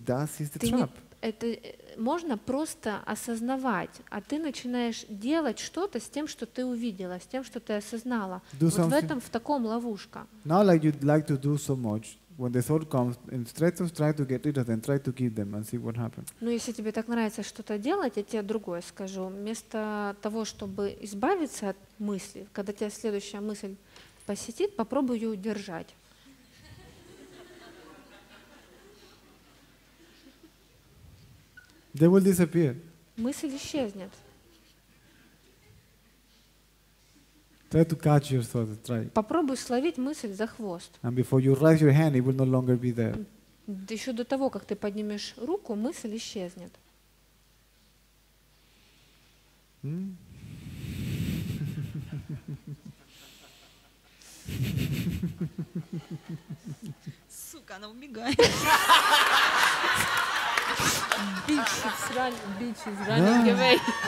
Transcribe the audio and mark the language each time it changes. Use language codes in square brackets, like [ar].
[en] That is the trap. [ru] Это можно просто осознавать, а ты начинаешь делать что-то с тем, что ты увидела, с тем, что ты осознала. [en] Do [ru] вот [en] something. [ru] В этом, в таком ловушка. [en] Now like you'd like to do so much. When the thought comes, instead of trying to get rid of them, try to keep them and see what happens. [ru] Ну, если тебе так нравится что-то делать, я тебе другое скажу. Вместо того, чтобы избавиться от мысли, когда тебя следующая мысль посетит, попробуй ее удержать. [en] They will disappear. [ru] Мысль исчезнет. [en] Try to catch your thought. Try. [ru] Попробуй словить мысль за хвост. [en] And before you raise your hand, it will no longer be there. [ru] Еще до того, как ты поднимешь руку, мысль исчезнет. Сука, она убегает. [en] Bitch is running away.